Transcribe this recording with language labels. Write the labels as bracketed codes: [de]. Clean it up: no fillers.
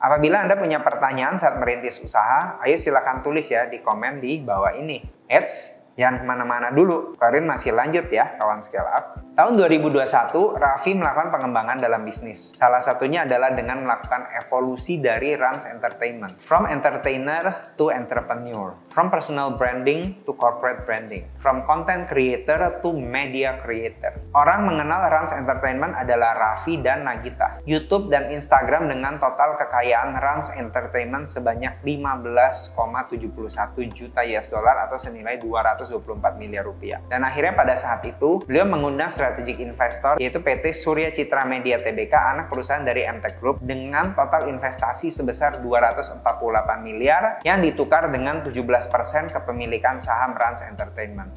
[id] Apabila Anda punya pertanyaan saat merintis usaha, ayo silakan tulis ya di komen di bawah ini. Eits, jangan kemana-mana dulu, Karin masih lanjut ya kawan Scale Up. Tahun 2021, Raffi melakukan pengembangan dalam bisnis. Salah satunya adalah dengan melakukan evolusi dari Rans Entertainment. [en] From entertainer to entrepreneur. From personal branding to corporate branding. From content creator to media creator. [id] Orang mengenal Rans Entertainment adalah Raffi dan Nagita. YouTube dan Instagram dengan total kekayaan Rans Entertainment sebanyak 15,71 juta US dollar atau senilai 224 miliar rupiah. Dan akhirnya pada saat itu, beliau mengundang strategic investor yaitu PT Surya Citra Media TBK, anak perusahaan dari MT Group, dengan total investasi sebesar 248 miliar yang ditukar dengan 17% kepemilikan saham Rans Entertainment.